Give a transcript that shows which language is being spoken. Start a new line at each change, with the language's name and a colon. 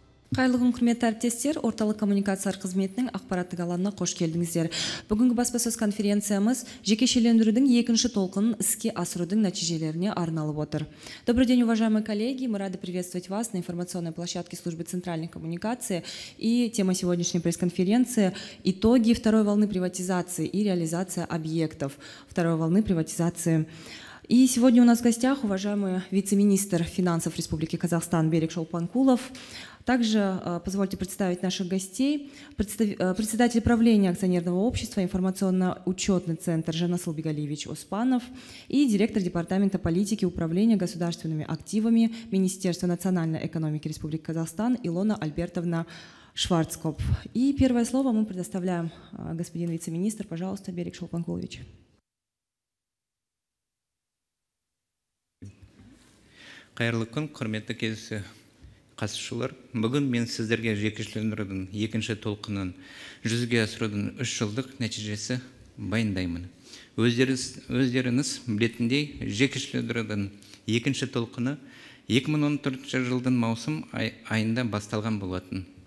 Kazakh: Қайлығын құрметті әріптестер, орталық коммуникациялар қызметінің ақпараттық ғаланына қош келдіңіздер. Бүгінгі баспасөз конференциямыз жекешелендірудің екінші толқынын іске асырудың нәтижелеріне арналып отыр.
Russian: Добрый день, уважаемые коллеги, мы рады приветствовать вас на информационной площадке службы центральной коммуникации. И тема сегодняшней пресс-конференции – итоги второй волны приватизации и реализация объектов второй волны приватизации. И сегодня у нас в гостях уважаемый вице-министр финансов Республики Казахстан Берик Шолпанкулов. Также позвольте представить наших гостей. Председатель правления акционерного общества, информационно-учетный центр Жанас Албегалиевич Оспанов и директор департамента политики управления государственными активами Министерства национальной экономики Республики Казахстан Илона Альбертовна Шварцкоп. И первое слово мы предоставляем господин вице-министр. Пожалуйста, Берик Шолпанкулович.
Kazakh: Қайырлы күн, құрметті кездесу қатысушылар. Бүгін мен сіздерге жекешелендірудің екінші толқынын жүзеге асырудың үш жылдық нәтижесі баяндаймын. Өздеріңіз білетіндей жекешелендірудің екінші толқыны 2014 жылдың маусым айында басталған болатын.